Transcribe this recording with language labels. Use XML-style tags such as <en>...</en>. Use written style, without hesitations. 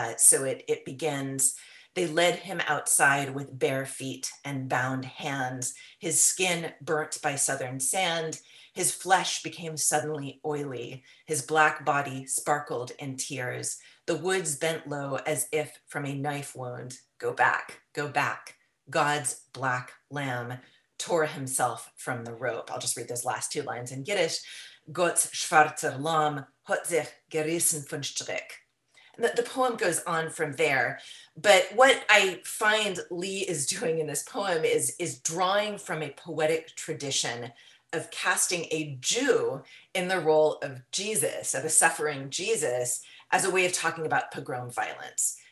<en>So it begins, "They led him outside with bare feet and bound hands, his skin burnt by southern sand, his flesh became suddenly oily, his black body sparkled in tears, the woods bent low as if from a knife wound. Go back, God's black lamb tore himself from the rope." I'll just read those last two lines in Yiddish.</en> <yi>"Gott schwarzer Lamm hat sich gerissen von Strick."</yi> <en>The poem goes on from there, but what I find Lee is doing in this poem is drawing from a poetic tradition of casting a Jew in the role of Jesus, of a suffering Jesus, as a way of talking about pogrom violence.</en>